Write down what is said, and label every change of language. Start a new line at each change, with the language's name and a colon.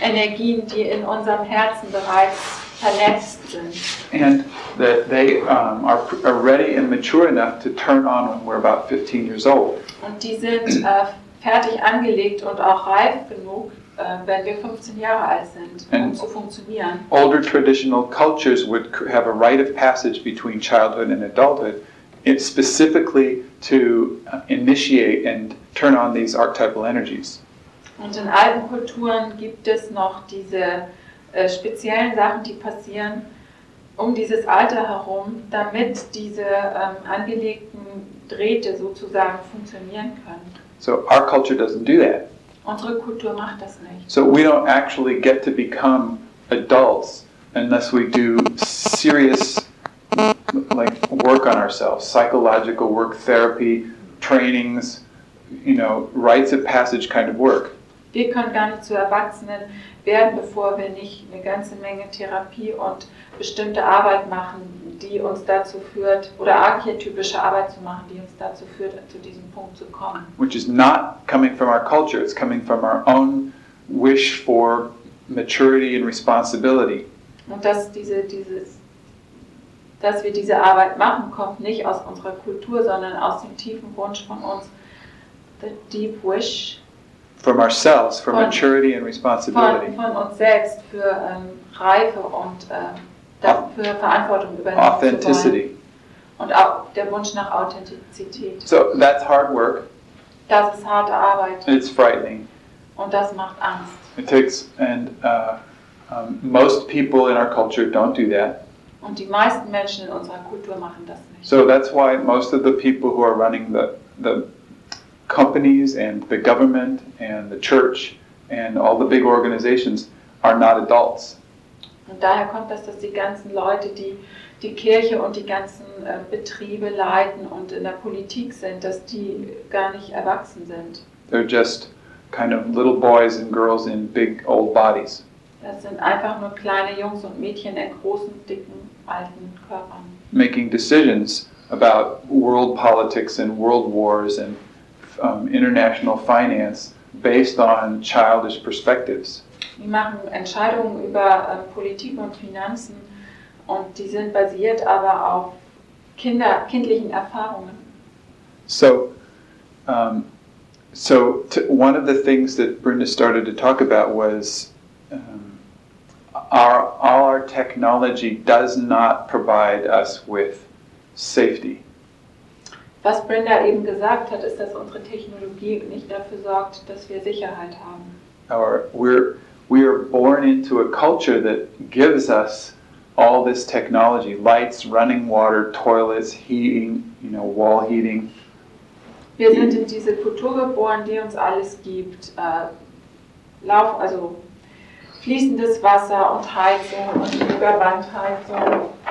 German: Energien, die in unserem Herzen bereits vernetzt sind.
English: And that they are ready and mature enough to turn on when we're about 15 years old.
German: Und die sind fertig angelegt und auch reif genug, wenn wir 15 Jahre alt sind,
English: and
German: um zu funktionieren.
English: Older traditional cultures would have a rite of passage between childhood and adulthood. It's specifically to initiate and turn on these archetypal energies.
German: Und in alten Kulturen gibt es noch diese speziellen Sachen, die passieren um dieses Alter herum, damit diese angelegten Drähte sozusagen funktionieren können.
English: So our culture doesn't do that.
German: Unsere Kultur macht das nicht.
English: So we don't actually get to become adults unless we do serious like work on ourselves, psychological work, therapy, trainings, you know, rites of passage kind of work.
German: Wir können gar nicht zu Erwachsenen werden, bevor wir nicht eine ganze Menge Therapie und bestimmte Arbeit machen, die uns dazu führt, oder archetypische Arbeit zu machen, die uns dazu führt, zu diesem Punkt zu kommen.
English: Which is not coming from our culture, it's coming from our own wish for maturity and responsibility.
German: Und dass dass wir diese Arbeit machen, kommt nicht aus unserer Kultur, sondern aus dem tiefen Wunsch von uns,
English: the deep wish. From ourselves, for maturity and responsibility.
German: Von uns selbst, für Reife und für Verantwortung übernehmen zu wollen.
English: Authenticity.
German: Und auch der Wunsch nach Authentizität.
English: So, that's hard work.
German: Das ist harte Arbeit.
English: It's frightening.
German: Und das macht Angst.
English: It takes, and most people in our culture don't do that.
German: Und die meisten Menschen in unserer Kultur machen das nicht.
English: So that's why most of the people who are running the companies and the government and the church and all the big organizations are not adults.
German: Und daher kommt das, dass die ganzen Leute, die die Kirche und die ganzen Betriebe leiten und in der Politik sind, dass die gar nicht erwachsen sind.
English: They're just kind of little boys and girls in big old bodies.
German: Das sind einfach nur kleine Jungs und Mädchen in großen, dicken, alten Körpern.
English: Making decisions about world politics and world wars and international finance based on childish perspectives.
German: Wir machen Entscheidungen über Politik und Finanzen, und die sind basiert aber auf kindlichen Erfahrungen.
English: So, one of the things that Brenda started to talk about was our technology does not provide us with safety.
German: Was Brenda eben gesagt hat, ist, dass unsere Technologie nicht dafür sorgt, dass wir Sicherheit haben.
English: Or we are born into a culture that gives us all this technology, lights, running water, toilets, heating, you know, wall heating.
German: Wir sind in diese Kultur geboren, die uns alles gibt. Lauf, also fließendes Wasser und Heizung und Überwandheizung.